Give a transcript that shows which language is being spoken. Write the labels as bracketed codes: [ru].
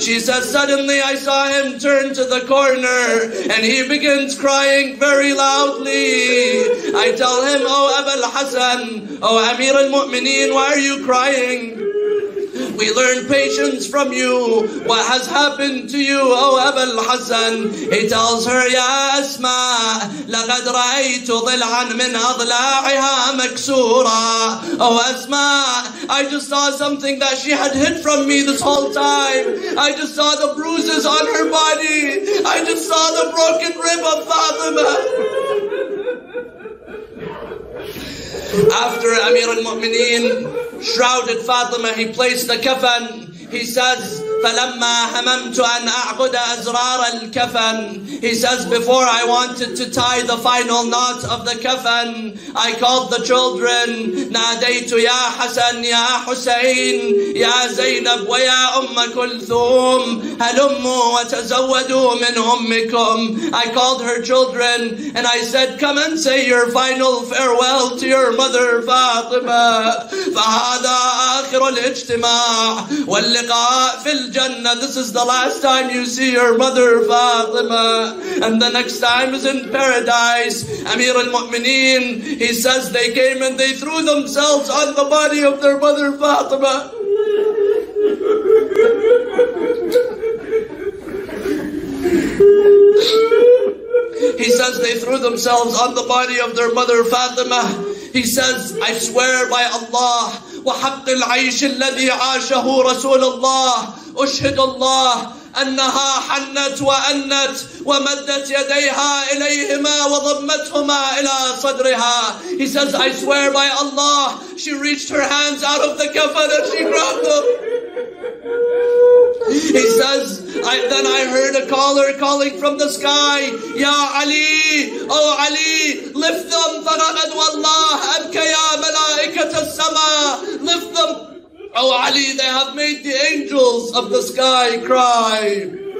[en] She says, suddenly I saw him turn to the corner and he begins crying very loudly. I tell him, oh Abu al-Hasan, oh Amir al-Mu'mineen, why are you crying? We learn patience from you. What has happened to you, O Abu al-Hasan? He tells her, [ar] Ya Asma, لَقَدْ رَأَيْتُ ضِلْعًا مِنْ أَضْلَاعِهَا مَكْسُورًا. [en] O Asma, I just saw something that she had hid from me this whole time. I just saw the bruises on her body. I just saw the broken rib of Fatima. After Amir al-Mu'mineen shrouded Fatima, he placed the kafan. He says, [ar] فَلَمَّا هَمَمْتُ أَنْ أَعْقُدَ أَزْرَارَ الْكَفَنِ. [en] He says, before I wanted to tie the final knot of the kafan, I called the children. [ar] نَادَيْتُ يَا حَسَنْ يَا حُسَيْنْ يَا زَيْنَبْ وَيَا أُمَّ كُلْثُومْ هَلُمُّ وَتَزَوَّدُوا مِنْ أُمِّكُمْ. [en] I called her children and I said, come and say your final farewell to your mother Fatima. [ar] فَهَذَا آخِرُ الْإِجْتِمَاعِ وَاللِّقَاءِ فِي الْجَنَّةِ. [en] This is the last time you see your mother Fatima, and the next time is in paradise. Amir al-Mu'mineen, he says, they came and they threw themselves on the body of their mother Fatima. He says, they threw themselves on the body of their mother Fatima. He says, I swear by Allah, [ar] وَحَقِّ الْعَيْشِ الَّذِي عَاشَهُ رَسُولُ اللَّهِ أُشْهِدُ اللَّهِ أنها حنت وأنت ومدت يديها إليهما وضمتهما إلى صدرها. [en] He says, I swear by Allah, she reached her hands out of the kafan and she grabbed them. He says, I heard a caller calling from the sky, Ya Ali, O Ali, lift them, [ar] فَرَغَدْ وَاللَّهِ أَبْكَيَا مَلَائِكَةَ السَّمَاءِ [en] Lift them, O Ali, they have made the angels of the sky cry.